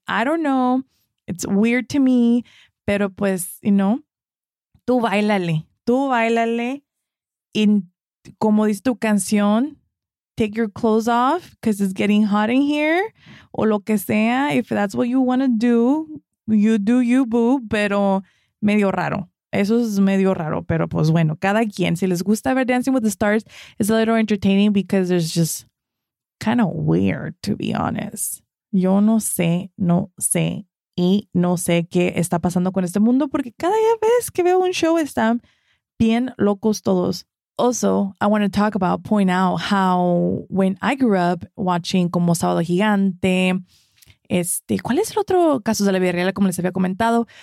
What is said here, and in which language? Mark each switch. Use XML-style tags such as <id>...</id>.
<en>I don't know. It's weird to me.</en> <es>Pero, pues,</es> <en>you know,</en> <es>tú bailale. Tú bailale. Y como dice tu canción,</es> <en>take your clothes off because it's getting hot in here.</en> <es>O lo que sea.</es> <en>If that's what you want to do you, boo.</en> <es>Pero medio raro. Eso es medio raro, pero pues bueno, cada quien. Si les gusta ver</es> <en>Dancing with the Stars, it's a little entertaining because it's just kind of weird, to be honest.</en> <es>Yo no sé, no sé, y no sé qué está pasando con este mundo porque cada vez que veo un show están bien locos todos.</es> <en>Also, I want to talk about, point out how when I grew up watching</en> <es>como Sábado Gigante, ¿cuál es el otro caso de la vida real, como les había comentado?</es>